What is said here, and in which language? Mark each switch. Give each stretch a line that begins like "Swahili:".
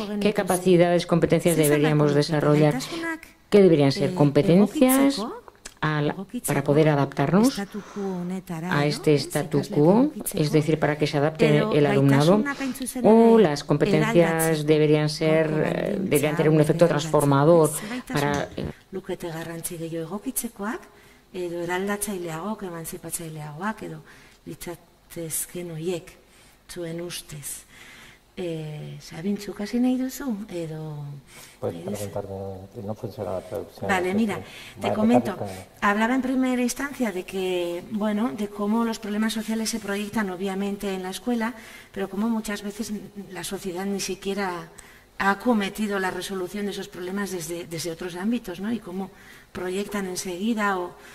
Spanish: ¿Qué capacidades, competencias deberíamos desarrollar? ¿Qué deberían ser? ¿Competencias para poder adaptarnos a este statu quo, es decir, para que se adapte el alumnado, o las competencias deberían tener un efecto transformador para
Basque: lukete garrantzi gehiago egokitzekoak edo eraldatzaileagok emantzipatzaileagoak edo litzatezken hoiek zuen ustez? Sabintzuk hasi nahi duzu, edo...
Spanish: No funciona la traducción. Vale, mira, te comento. Hablaba en primera instancia de que, bueno, de cómo los problemas sociales se proyectan obviamente en la escuela, pero cómo muchas veces la sociedad ni siquiera ha cometido la resolución de esos problemas desde otros ámbitos, ¿no? Y cómo proyectan enseguida o...